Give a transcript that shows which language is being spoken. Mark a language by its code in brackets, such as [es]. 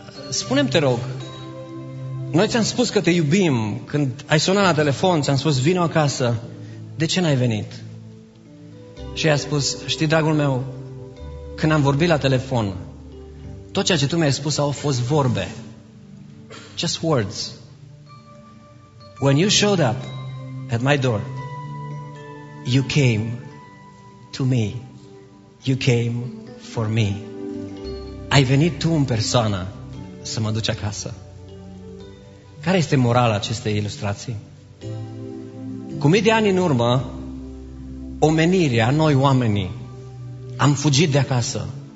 [ro] Spune-mi, te rog, noi ți-am spus că te iubim, când ai sunat la telefon, ți-am spus, vino acasă, de ce n-ai venit? Și i-a spus, știi, dragul meu, când am vorbit la telefon, tot ceea ce tu mi-ai spus au fost vorbe. [en] Just words. When you showed up at my door, you came to me. You came for me. [ro] Ai venit tu în persoană să mă duci acasă. Care este morala acestei ilustrații? Cu mii de ani în urmă, omenirea, noi oamenii, am fugit de acasă.